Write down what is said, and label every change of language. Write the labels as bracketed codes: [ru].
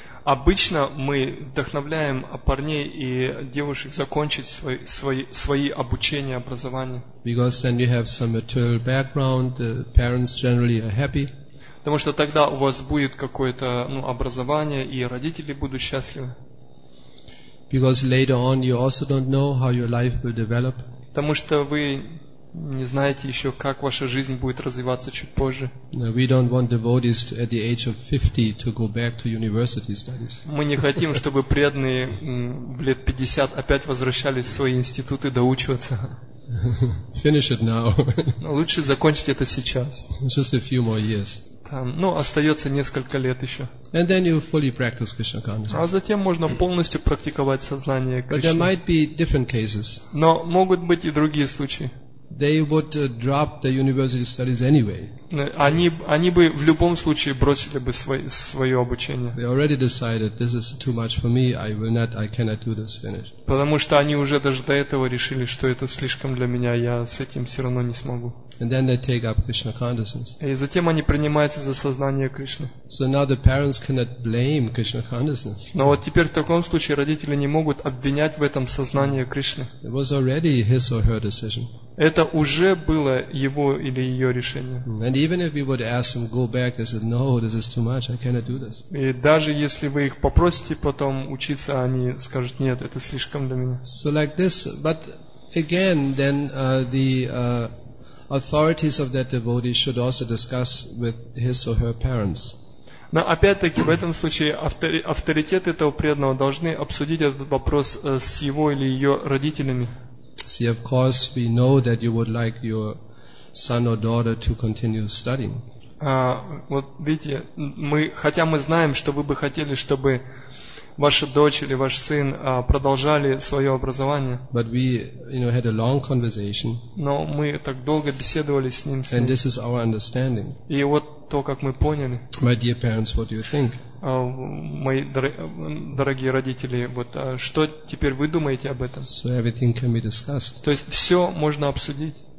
[ru] Обычно мы вдохновляем парней и девушек закончить свои обучение, образование. [en] Because then you have some material background, the parents generally are happy. [ru] Потому что тогда у вас будет какое-то, ну, образование, и родители будут счастливы. [en] Because later on you also don't know how your life will develop. [ru] Потому что вы не знаете еще, как ваша жизнь будет развиваться чуть позже. [en] No, we don't want devotees at the age of 50 to go back to university studies. [ru] Мы не хотим, чтобы преданные в лет 50 опять возвращались в свои институты доучиваться. [en] Finish it now. [ru] Лучше закончить это сейчас. [en] Just a few more years. [ru] там, ну, остается несколько лет еще. [en] And then you fully practice Krishna consciousness. [ru] А затем можно полностью практиковать сознание Кришны. [en] But there might be different cases. [ru] Но могут быть и другие случаи. [en] They would drop the university studies anyway. [ru] Они бы в любом случае бросили бы свое обучение. [en] They already decided this is too much for me. I cannot do this. Finish. [ru] Потому что они уже даже до этого решили, что это слишком для меня. Я с этим все равно не смогу. [en] And then they take up Krishna consciousness. [ru] И затем они принимаются за сознание Кришны. [en] So now the parents cannot blame Krishna consciousness. [ru] Но вот теперь в таком случае родители не могут обвинять в этом сознание Кришны. [en] It was already his or her decision. [ru] Это уже было его или ее решение. [en] And even if we would ask them go back, they said no, this is too much, I cannot do this. [ru] И даже если вы их попросите потом учиться, они скажут нет, это слишком для меня. [en] So like this, but again, then the authorities of that devotee should also discuss with his or her parents. [ru] Но опять-таки в этом случае авторитет этого преданного должны обсудить этот вопрос с его или ее родителями. [en] See, of course, we know that you would like your son or daughter to continue studying. [ru] Вот видите, хотя мы знаем, что вы бы хотели, чтобы ваша дочь или ваш сын продолжали свое образование. [en] But we, you know, had a long conversation. [ru] Но мы так долго беседовали с ним. [en] And this is our understanding. [ru] И вот то, как мы поняли. [en] My dear parents, what do you think? [ru] Мои дорогие родители, вот что теперь вы думаете об этом? [en] So everything can be discussed. [ru] То есть все можно обсудить.